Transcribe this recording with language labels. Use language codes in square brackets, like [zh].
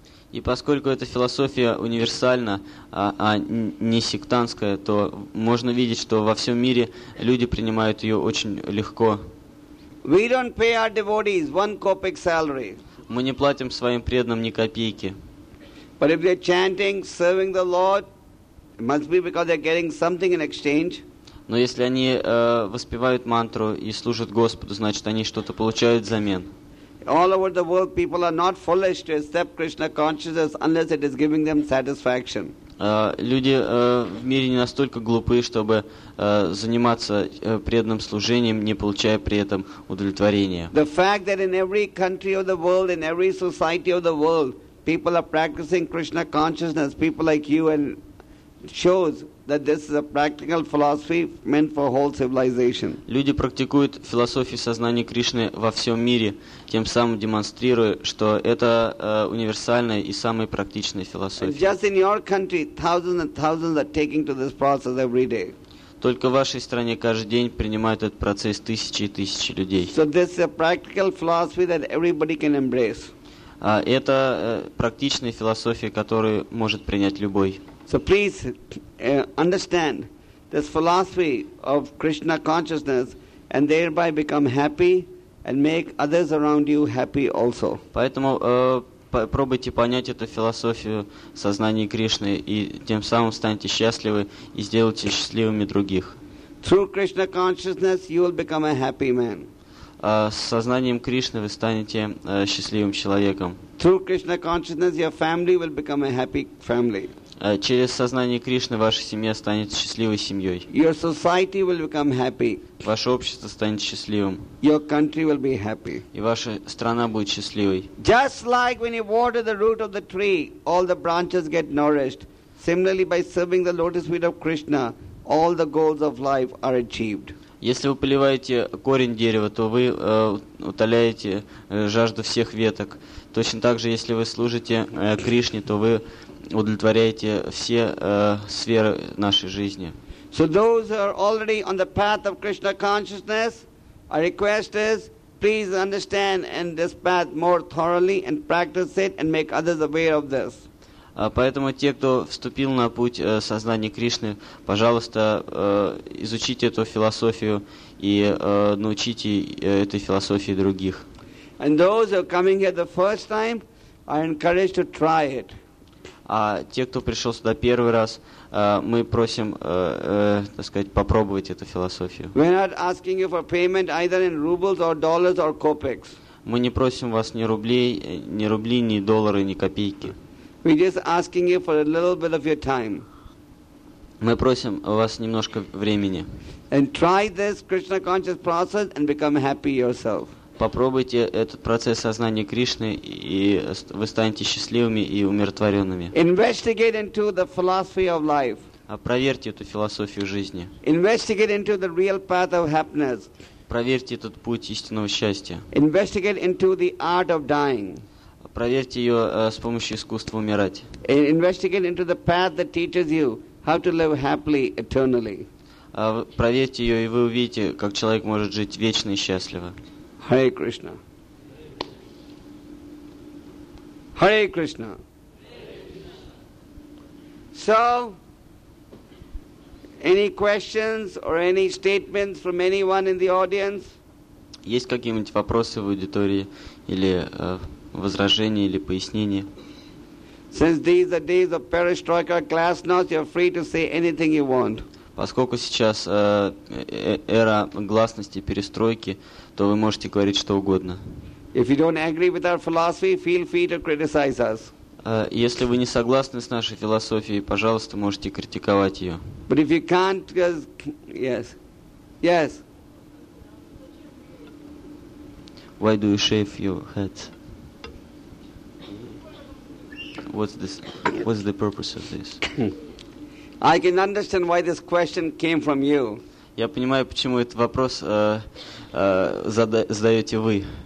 [ru] И поскольку эта философия универсальна, а не сектантская, то можно видеть, что во всем мире люди принимают ее очень легко. [en] We don't pay our devotees 1 copeck salary. [ru] Мы не платим своим преданным ни копейки. [en] But if they're chanting, serving the Lord, it must be because they're getting something in exchange. [ru] Но если они воспевают мантру и служат Господу, значит, они что-то получают взамен. [en] All over the world, people are not foolish to accept Krishna consciousness unless it is giving them satisfaction. [ru] Люди в мире не настолько глупы, чтобы заниматься преданным служением, не получая при этом удовлетворения. [en] The fact that in every country of the world, in every society of the world, people are practicing Krishna consciousness, people like you, and shows that this is a practical philosophy meant for whole civilization. [ru] Люди практикуют философию сознания Кришны во всем мире, тем самым демонстрируя, что это универсальная и самая практичная философия. [en] And just in your country, thousands and thousands are taking to this process every day. [ru] Только в вашей стране каждый день принимают этот процесс тысячи и тысячи людей. [en] So this is a practical philosophy that everybody can embrace. [ru] Это практичная философия, которую может принять любой. [en] So please understand this philosophy of Krishna consciousness and thereby become happy and make others around you happy also. [ru] Поэтому Пробуйте понять эту философию сознания Кришны, и тем самым станьте счастливы и сделайте счастливыми других. [en] Through Krishna consciousness you will become a happy man. [ru] С сознанием Кришны вы станете счастливым человеком. [en] Through Krishna consciousness your family will become a happy family. [ru] Через сознание Кришны ваша семья станет счастливой семьей. [en] Your society will become happy. [ru] Ваше общество станет счастливым. [en] Your country will be happy. [ru] И ваша страна будет счастливой. [en] Just like when you water the root of the tree, all the branches get nourished. Similarly, by serving the lotus feet of Krishna, all the goals of life are achieved. [ru] Если вы поливаете корень дерева, то вы утоляете жажду всех веток. Точно так же, если вы служите Кришне, то вы удовлетворяете все сферы нашей жизни. [en] So those who are already on the path of Krishna consciousness, our request is, please understand and this path more thoroughly and practice it and make others aware of this. [ru] Поэтому те, кто вступил на путь сознания Кришны, пожалуйста, изучите эту философию и научите этой философии других. [en] And those who are coming here the first time, I encourage to try it. [ru] А те, кто пришел сюда первый раз, мы просим, так сказать, попробовать эту философию. [en] We're not asking you for payment either in rubles or dollars or kopecks. [ru] Мы не просим вас ни рубли, ни доллары, ни копейки. [en] We're just asking you for a little bit of your time. [ru] Мы просим у вас немножко времени. [en] And try this Krishna conscious process and become happy yourself. [ru] Попробуйте этот процесс сознания Кришны, и вы станете счастливыми и умиротворенными. [en] Investigate into the philosophy of life. [ru] Проверьте эту философию жизни. [en] Investigate into the real path of happiness. [ru] Проверьте этот путь истинного счастья. [en] Investigate into the art of dying. [ru] Проверьте ее с помощью искусства умирать. [en] Investigate into the path that teaches you how to live happily eternally. [ru] Проверьте ее, и вы увидите, как человек может жить вечно и счастливо. [en] Hare Krishna. Hare Krishna. So, any questions or any statements from anyone in the audience? [ru] Есть какие-нибудь вопросы в аудитории или возражения или пояснения? [en] Since these are days of perestroika glasnost, you're free to say anything you want. [ru] Поскольку сейчас эра гласности, перестройки, то вы можете говорить что угодно. [en] If you don't agree with our philosophy, feel free to criticize us. [ru] Если вы не согласны с нашей философией, пожалуйста, можете критиковать ее. [en] But if you can't, yes, yes. Why do you shave your head? What's this? What's the purpose of this? I can understand why this question came from you. [ru] Я понимаю, почему этот вопрос задаете вы.